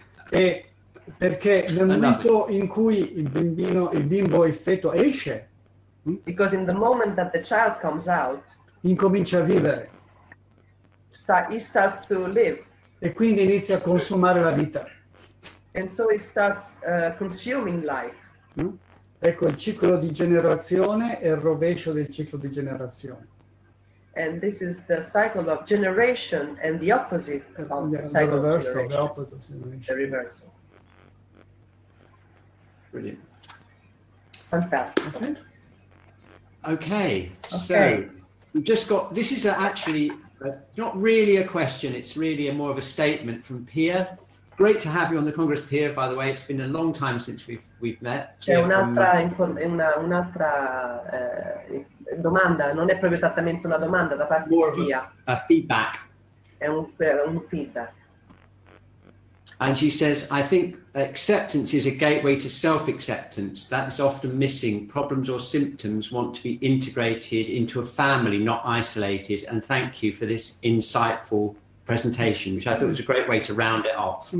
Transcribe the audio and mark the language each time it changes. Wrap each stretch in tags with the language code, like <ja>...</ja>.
<it>E perché nel momento in cui il bimbo, il feto esce,</it> <en>because in the moment that the child comes out,</en> <it>incomincia a vivere.</it> <en>He starts to live.</en> <it>E quindi inizia a consumare la vita.</it> <en>And so it starts consuming life.</en> <it>No? Ecco, il ciclo di generazione è il rovescio del ciclo di generazione.</it> <en>And this is the cycle of generation and the opposite about the cycle of generation. The opposite of generation. The reversal. Brilliant. Fantastic. Okay. Okay. So we've just got, this is actually not really a question. It's really a more of a statement from Pierre. Great to have you on the Congress, Pierre, by the way. It's been a long time since we've met.</en> <it>C'è un'altra, un'altra domanda, non è proprio esattamente una domanda da parte</it> <en>more</en> <it>di Pia.</it> <en>A feedback.</en> <it>È un feedback.</it> <en>And she says, I think acceptance is a gateway to self-acceptance. That is often missing. Problems or symptoms want to be integrated into a family, not isolated. And thank you for this insightful presentation, which I thought was a great way to round it off.</en>